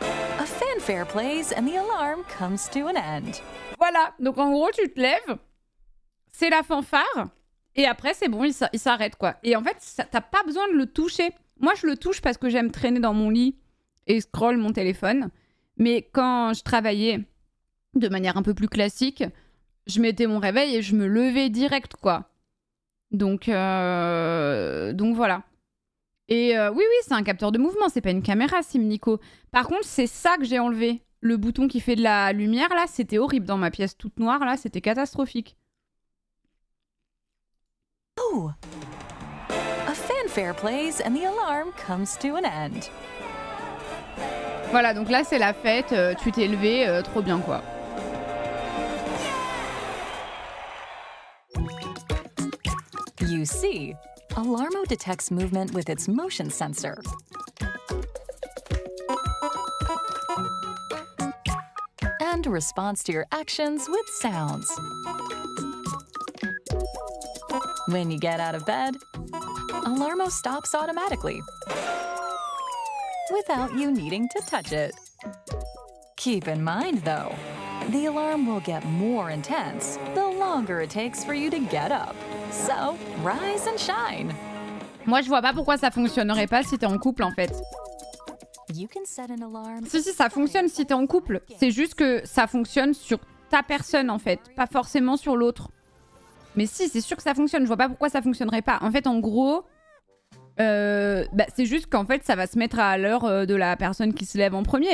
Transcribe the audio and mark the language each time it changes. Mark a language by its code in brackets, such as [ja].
[en] A fanfare plays and the alarm comes to an end. [fr] Voilà, donc en gros, tu te lèves... C'est la fanfare, et après c'est bon, il s'arrête quoi. Et en fait, ça, t'as pas besoin de le toucher. Moi je le touche parce que j'aime traîner dans mon lit et scroll mon téléphone. Mais quand je travaillais de manière un peu plus classique, je mettais mon réveil et je me levais direct quoi. Donc voilà. Et oui, c'est un capteur de mouvement, c'est pas une caméra Simnico. Par contre, c'est ça que j'ai enlevé. Le bouton qui fait de la lumière là, c'était horrible dans ma pièce toute noire là, c'était catastrophique. [en] A fanfare plays and the alarm comes to an end. [fr] Voilà, donc là c'est la fête, tu t'es levé, trop bien quoi. [en] You see, Alarmo detects movement with its motion sensor. And responds to your actions with sounds. When you get out of bed, Alarmo stops automatically without you needing to touch it. Keep in mind though, the alarm will get more intense the longer it takes for you to get up. So, rise and shine. [fr] Moi, je vois pas pourquoi ça fonctionnerait pas si t'es en couple en fait. [en] You can set an alarm. [fr] Si, ça fonctionne si t'es en couple. C'est juste que ça fonctionne sur ta personne en fait, pas forcément sur l'autre. Mais si, c'est sûr que ça fonctionne, je vois pas pourquoi ça fonctionnerait pas. En fait, en gros, c'est juste qu'en fait, ça va se mettre à l'heure de la personne qui se lève en premier.